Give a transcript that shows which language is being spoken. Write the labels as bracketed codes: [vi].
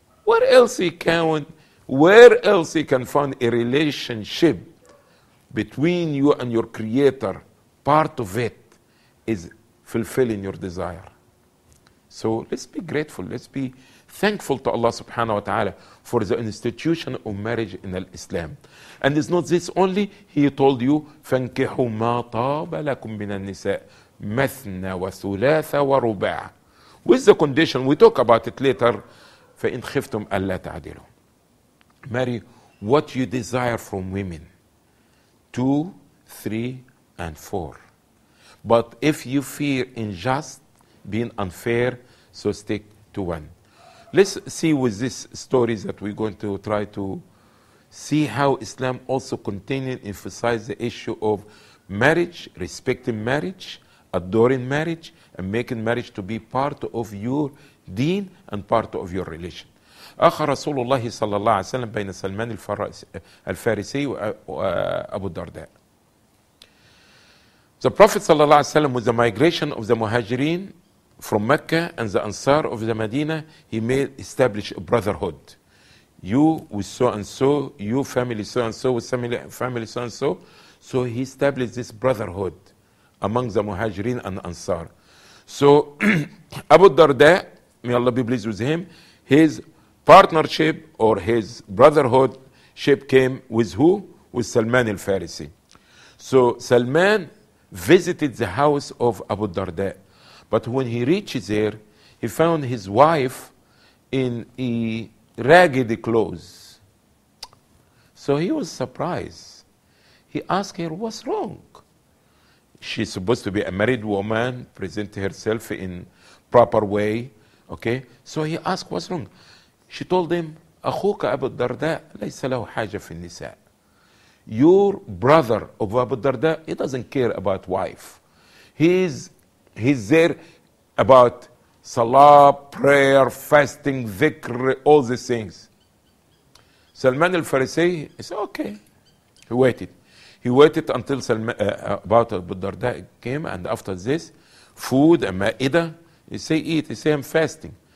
[en] What else he can, where else he can find a relationship between you and your Creator? Part of it is fulfilling your desire. So let's be grateful. Let's be thankful to Allah subhanahu wa ta'ala for the institution of marriage in Islam. And it's not this only. He told you, [ar] فَانْكِحُوا مَا طَابَ لَكُم مِّنَ النِّسَاءِ مَثْنَا وَثُلَاثَ وَرُبَاعَ. [en] With the condition, we talk about it later, [ar] فَإِنْ خِفْتُمْ أَلَّا تَعْدِلُوا. [en] Marry what you desire from women. 2, 3, and 4. But if you fear unjust, being unfair, so stick to one. Let's see with this story that we're going to try to see how Islam also continued to emphasize the issue of marriage, respecting marriage, adoring marriage, and making marriage to be part of your deen and part of your religion. [ar] أخى رسول الله صلى الله عليه وسلم بين سلمان الفارسي وأبو الدرداء. [en] The Prophet صلى الله عليه وسلم, with the migration of the Muhajirin from Mecca and the Ansar of the Medina, he made establish a brotherhood. You with so and so, you family so and so, with family so and so. So he established this brotherhood among the Muhajirin and Ansar. So Abu Darda, may Allah be pleased with him, his partnership or his brotherhood ship came with who? With Salman al-Farisi. So Salman visited the house of Abu Darda. But when he reached there, he found his wife in a ragged clothes. So he was surprised. He asked her, what's wrong? She's supposed to be a married woman, present herself in proper way. Okay? So he asked, what's wrong? She told him, [ar] أخوك أبو الدرداء ليس له حاجة في النساء. [en] Your brother of Abu Darda, he doesn't care about wife. He's there about salah, prayer, fasting, dhikr, all these things. Salman al-Farisi, he said, okay. He waited. He waited until about Abu Darda came, and after this, food and ma'ida, he say, eat. He say, I'm fasting.